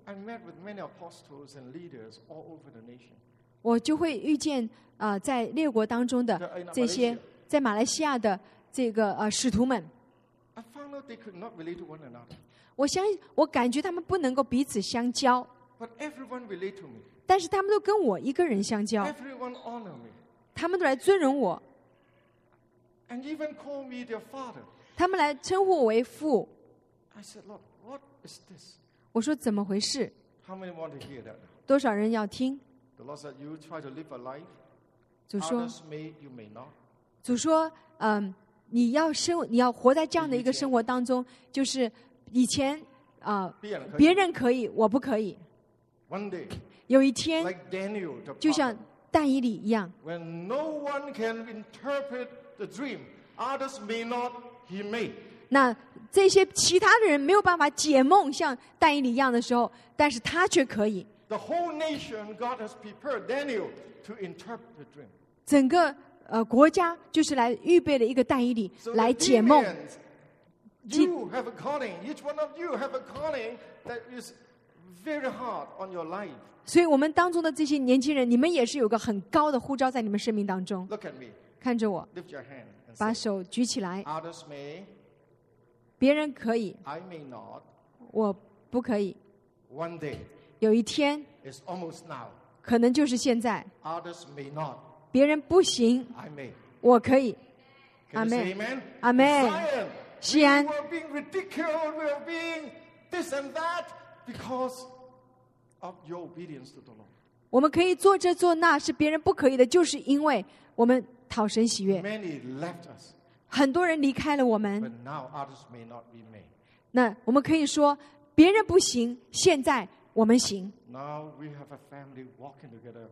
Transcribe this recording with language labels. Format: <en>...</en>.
<en>I met with many apostles and leaders all over the nation.</en> <zh>我就会遇见在列国当中的这些在马来西亚的这个使徒们。</zh> <en>I found out they could not relate to one another.</en> <zh>我感觉他们不能够彼此相交。</zh> <en>But everyone relate to me.</en> <zh>但是他们都跟我一个人相交。</zh> <en>Everyone honor me.</en> <zh>他们都来尊荣我。</zh> <en>And even call me their father.</en> <zh>他们来称呼我为父。</zh> <en>I said, Lord, what is this?</en> <zh>我说怎么回事？</zh> <en>How many want to hear that?</en> <zh>多少人要听？</zh> <en>The Lord said, you try to live a life.</en> <zh>主说，</zh> <en>Others may, you may not.</en> <zh>主说，你要活在这样的一个生活当中，就是以前别人可以，我不可以。</zh> <en>One day,</en> <zh>有一天，</zh> <en>like Daniel,</en> <zh>就像但以理一样。</zh> <en>When no one can interpret. The dream, others may not, he may.</en> <zh>那这些其他的人没有办法解梦，像但以理一样的时候，但是他却可以。</zh> <en>The whole nation, God has prepared Daniel to interpret the dream.</en> <zh>整个国家就是来预备了一个但以理来解梦。</zh> <en>You have a calling. Each one of you have a calling that is very hard on your life.</en> <zh>所以我们当中的这些年轻人，你们也是有个很高的呼召在你们生命当中。</zh> <en>Look at me.</en> <zh>看着我</zh> <en>Lift your hand and</en> <zh>把手举起来</zh> <en>Others may,</en> <zh>别人可以</zh> <en>I may not,</en> <zh>我不可以</zh> <en>One day,</en> <zh>有一天</zh> <en>it's almost now,</en> <zh>可能就是现在</zh> <en>Others may not,</en> <zh>别人不行</zh> <en>I may,</en> <zh>我可以</zh> <en>Can you say amen? Zion, we are being ridiculed, we are being this and that because of your obedience to the Lord.</en> <zh>我们可以做这做那是别人不可以的就是因为我们讨神喜悦</zh> <en>Many left us,</en> <zh>很多人离开了我们</zh> <en>but now others may not be made.</en> <zh>那我们可以说别人不行现在我们行</zh> <en>now we have a family walking together.</en>